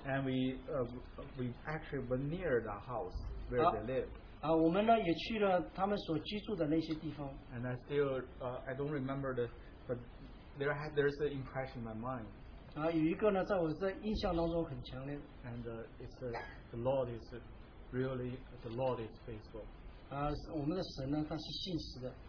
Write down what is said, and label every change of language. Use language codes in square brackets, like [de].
[en] and we actually went near the house where they lived. [zh] 我们呢也去了他们所居住的那些地方。 [en] And I still, I don't remember the, but there's an impression in my mind. [zh] 有一个呢，在我的印象当中很强烈。 [en] And the Lord is. Really, the Lord is faithful. [zh] 我们的神呢，他是信实的。